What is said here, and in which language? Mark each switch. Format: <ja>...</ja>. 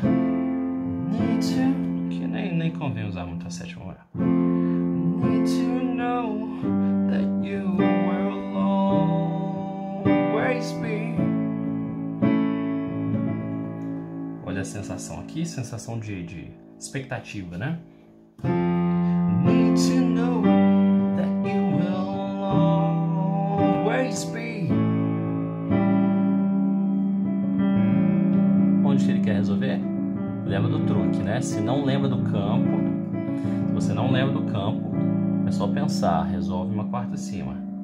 <pt>Que nem convém usar muito a sétima hora.</pt> <en>Need to know that you will always be.</en> <pt>Olha a sensação aqui, sensação de expectativa, né?</pt> <en>Need to know that you will always be.</en> <pt>Resolver? Lembra do truque, né? Se não lembra do campo, Você não lembra do campo, é só pensar, resolve uma quarta acima.</pt>